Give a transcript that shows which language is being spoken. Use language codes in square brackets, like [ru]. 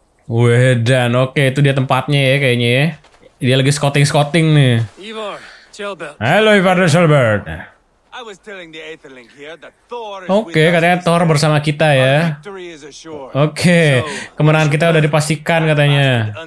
[id] Wedan, oke, itu dia tempatnya ya kayaknya ya. Dia lagi scouting-scouting nih. Ivar Chilbert. Halo Ivar Chilbert. [en] I was telling the Aetherling here that Thor is with us. [id] Oke, katanya Thor bersama kita ya. Oke, kemenangan kita udah dipastikan katanya.